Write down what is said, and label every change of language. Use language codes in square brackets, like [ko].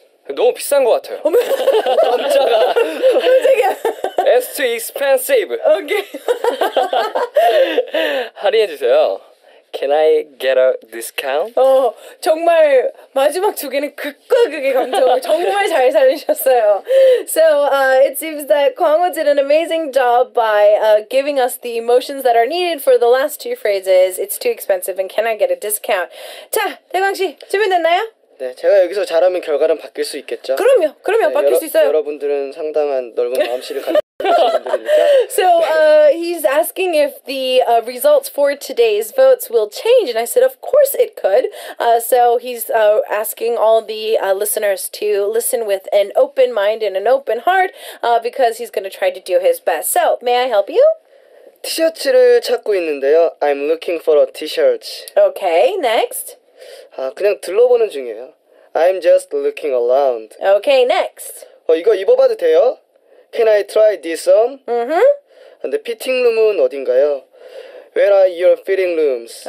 [ko] 너무 비싼 것 같아요. 남자가 깜짝이야. [en] As to too expensive. Okay. [ko] 할인해 주세요. [en] Can I get a discount? [ko] 어, 정말 마지막 두 개는 극과 극의 감정. 정말 잘 살리셨어요. [en] So it seems that Kwangho did an amazing job by giving us the emotions that are needed for the last two phrases. It's too expensive and can I get a discount? [ko] 자, 대광 씨, 준비됐나요? 네, 제가 여기서 잘하면 결과는 바뀔 수 있겠죠? 그럼요, 그럼요, 네, 바뀔 수 있어요. 여러분들은 상당한 넓은 마음씨를 가지고 [en] So he's asking if the results for today's votes will change, and I said, of course it could. So he's asking all the listeners to listen with an open mind and an open heart, because he's going to try to do his best. So may I help you? [ko] 티셔츠를 찾고 있는데요. [en] I'm looking for a T-shirt. Okay, next. [ko] 아 그냥 둘러보는 중이에요. [en] I'm just looking around. Okay, next. [ko] 어 이거 입어봐도 돼요? [en] Can I try this on? Mm-hmm. [ko] 근데 fitting room은 어딘가요? [en] Where are your fitting rooms?